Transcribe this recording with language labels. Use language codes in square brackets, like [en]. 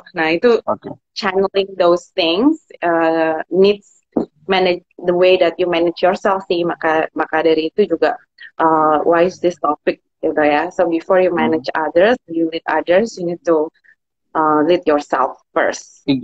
[id] Nah itu [en] channeling those things needs manage the way that you manage yourself sih. [id] Maka dari itu juga [en] why is this topic [id] gitu ya. [en] So before you manage others, you lead others, you need to lead yourself first.